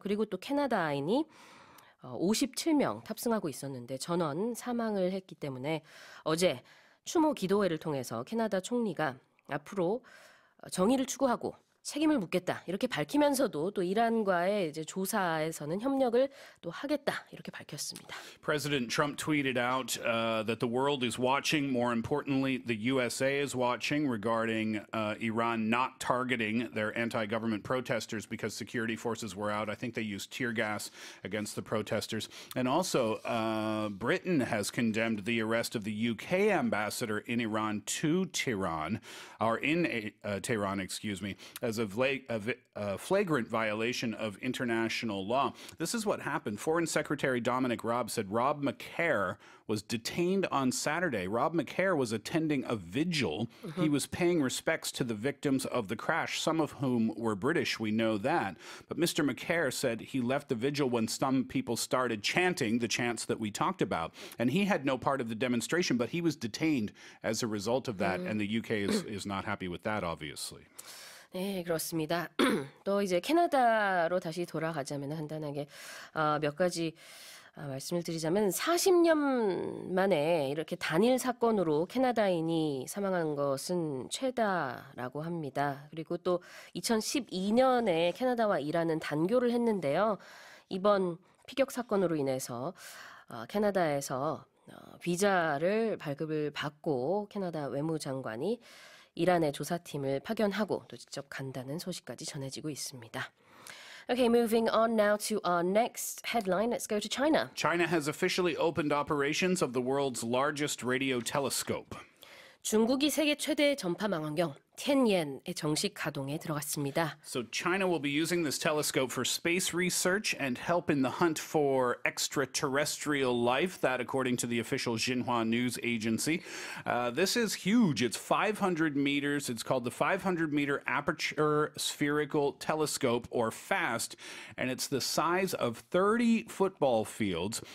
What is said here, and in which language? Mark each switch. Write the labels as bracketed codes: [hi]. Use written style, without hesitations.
[ko] 그리고 또 캐나다인이 57명 탑승하고 있었는데 전원 사망을 했기 때문에 어제 추모 기도회를 통해서 캐나다 총리가 앞으로 정의를 추구하고 책임을 묻겠다 이렇게 밝히면서도 또 이란과의 이제 조사에서는 협력을 또 하겠다 이렇게 밝혔습니다. [en] President Trump tweeted out that the world is watching. More importantly, the USA is watching regarding Iran not targeting their anti-government protesters because security forces were out. I think they used tear gas against the protesters. And also, Britain has condemned the arrest of the UK ambassador in Iran to Tehran, or in Tehran, excuse me. As a flagrant violation of international law. This is what happened. Foreign Secretary Dominic Raab said Rob McCarr was detained on Saturday. Rob McCarr was attending a vigil. Mm-hmm. He was paying respects to the victims of the crash, some of whom were British, we know that. But Mr. McCarr said he left the vigil when some people started chanting the chants that we talked about. And he had no part of the demonstration, but he was detained as a result of that. Mm-hmm. And the UK is not happy with that, obviously. [ko] 네, 그렇습니다. 또 이제 캐나다로 다시 돌아가자면 간단하게 몇 가지 말씀을 드리자면 40년 만에 이렇게 단일 사건으로 캐나다인이 사망한 것은 최다라고 합니다. 그리고 또 2012년에 캐나다와 이란은 단교를 했는데요. 이번 피격 사건으로 인해서 캐나다에서 비자를 발급을 받고 캐나다 외무장관이 이란의 조사팀을 파견하고 또 직접 간다는 소식까지 전해지고 있습니다. [en] Okay, moving on now to our next headline. Let's go to China. China has officially opened operations of the world's largest radio telescope. [ko] 중국이 세계 최대 전파 망원경 텐옌의 정식 가동에 들어갔습니다. [en] So China will be using this telescope for space research and help in the hunt for extraterrestrial life. That, according to the official Xinhua news agency, this is huge. It's 500 meters. It's called the 500 meter aperture spherical telescope, or FAST, and it's the size of 30 football fields.